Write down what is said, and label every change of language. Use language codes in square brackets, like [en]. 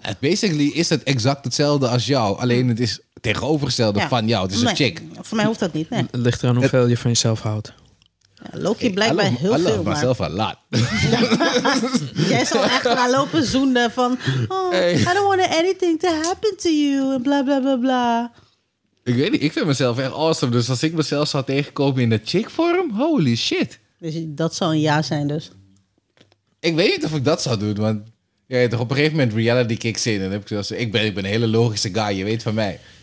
[nl] And basically is het exact hetzelfde als jou. Alleen het is tegenovergestelde van jou. Het is een chick. Voor mij hoeft dat niet. Nee. Het ligt eraan hoeveel je van jezelf houdt. Loki blijkt mij heel veel, maar... Ik [en] love myself a lot. [nl] Jij zal echt maar lopen zoenen van... [en] Oh, hey. I don't want anything to happen to you. [nl] En bla, bla, bla, bla. Ik weet niet, ik vind mezelf echt awesome. Dus als ik mezelf zou tegenkomen in de chick-vorm, holy shit. Dus dat zou een ja zijn dus. Ik weet niet of ik dat zou doen, want... Ja, je toch op een gegeven moment [en] reality kicks in. [nl] En dan heb ik zoiets van, ik ben een hele logische guy, je weet van mij.